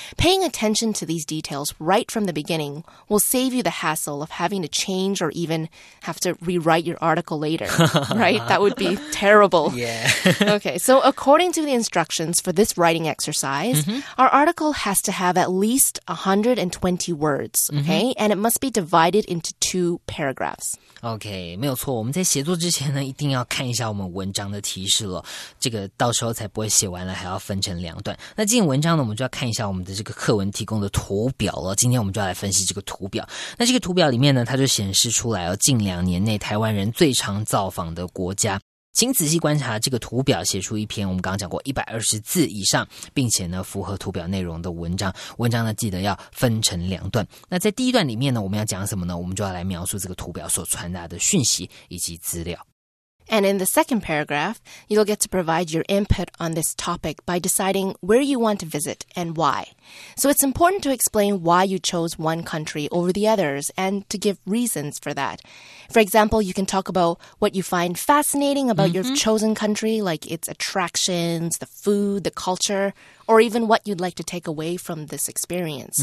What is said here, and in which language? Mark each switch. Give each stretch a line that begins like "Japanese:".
English: Paying attention to these details right from the beginning will save you the hassle of having to change or even have to rewrite your article later, right? That would be terrible. Yeah. Okay, so according to the instructions for this writing exercise, mm-hmm. our article has to have at least 120 words, okay? Mm-hmm. And it must be divided into two paragraphs.
Chinese: Okay, 没有错, 我们在写作之前呢, 一定要看一下我们文章的提示了, 这个到时候才不会写完了, 还要分成两段。那今天文章呢, 我们就要看一下我们的这个课文提供的图表了, 今天我们就要来分析这个图表。那这个图表里面呢, 它就显示出来了, 近两年 内台湾人最常造访的国家， 请仔细观察这个图表，写出一篇我们刚刚讲过120字以上， 并且呢符合图表内容的文章， 文章呢记得要分成两段。那在第一段里面呢， 我们要讲什么呢？我们就要来描述这个图表所传达的讯息以及资料。
English: And in the second paragraph, you'll get to provide your input on this topic by deciding where you want to visit and why. So it's important to explain why you chose one country over the others and to give reasons for that. For example, you can talk about what you find fascinating about mm-hmm. your chosen country, like its attractions, the food, the culture, or even what you'd like to take away from this experience.